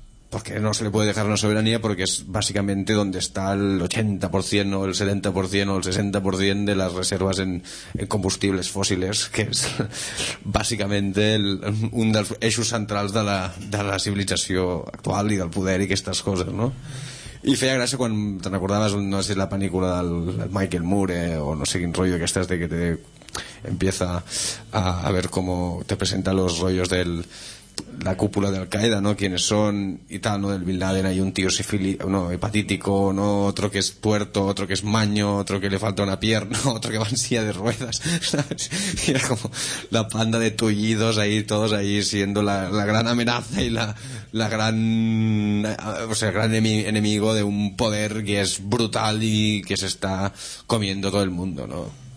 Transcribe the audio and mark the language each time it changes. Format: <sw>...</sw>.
<es>Porque no se le puede dejar una soberanía, porque es básicamente donde está el 80% o el 70% o el 60% de las reservas en combustibles fósiles, que es básicamente</es> <ca>un dels eixos centrals de la civilització actual i del poder i aquestes coses, no? I feia gràcia quan te'n recordaves, no sé, la pel·lícula del Michael Moore o no sé quin rotllo d'aquestes</ca> <es>de que te empieza a ver cómo te presenta los rollos del la cúpula de Al-Qaeda, ¿no? Quiénes son y tal, ¿no? Del Bin Laden hay un tío hepatítico, ¿no? Otro que es tuerto, otro que es maño, otro que le falta una pierna, otro que va en silla de ruedas, ¿sabes? Y era como la panda de tullidos ahí, todos ahí siendo la gran amenaza y la gran, o sea, el gran enemigo de un poder que es brutal y que se está comiendo todo el mundo, ¿no?</es>